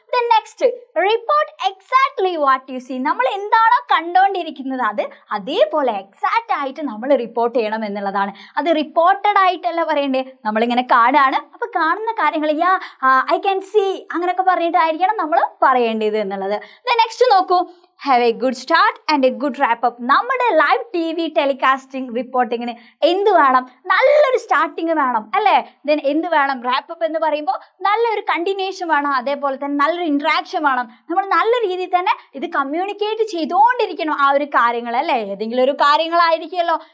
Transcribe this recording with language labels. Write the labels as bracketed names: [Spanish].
[English] then next, report exactly what you see, [Malayalam] നമ്മൾ എന്താണോ കണ്ടുകൊണ്ടിരിക്കുന്നത് അത് അതേപോലെ എക്സാക്ട് ആയിട്ട് നമ്മൾ റിപ്പോർട്ട് ചെയ്യണം എന്നുള്ളതാണ്. അത് റിപ്പോർട്ടഡ് ആയിട്ടല്ല പറയണ്ടേ, നമ്മളിങ്ങനെ കാണാണ്. അപ്പൊ കാണുന്ന കാര്യങ്ങൾ [English] yeah I can see [Malayalam] അങ്ങനെയൊക്കെ പറഞ്ഞിട്ടായിരിക്കണം നമ്മൾ പറയേണ്ടത് എന്നുള്ളത്. [English] then next [Malayalam] നോക്കൂ, [English] Have a good start and a good wrap-up. [Malayalam] നമ്മുടെ ലൈവ് ടി വി ടെലികാസ്റ്റിംഗ് റിപ്പോർട്ടിങ്ങിന് എന്ത് വേണം, നല്ലൊരു സ്റ്റാർട്ടിങ് വേണം അല്ലേ. ദെൻ എന്ത് വേണം, റാപ്പപ്പ് എന്ന് പറയുമ്പോൾ നല്ലൊരു കണ്ടിന്യൂഷൻ വേണം, അതേപോലെ തന്നെ നല്ലൊരു ഇൻട്രാക്ഷൻ വേണം. നമ്മൾ നല്ല രീതിയിൽ തന്നെ ഇത് കമ്മ്യൂണിക്കേറ്റ് ചെയ്തുകൊണ്ടിരിക്കണം ആ ഒരു കാര്യങ്ങൾ അല്ലേ, ഏതെങ്കിലും ഒരു കാര്യങ്ങളായിരിക്കുമല്ലോ.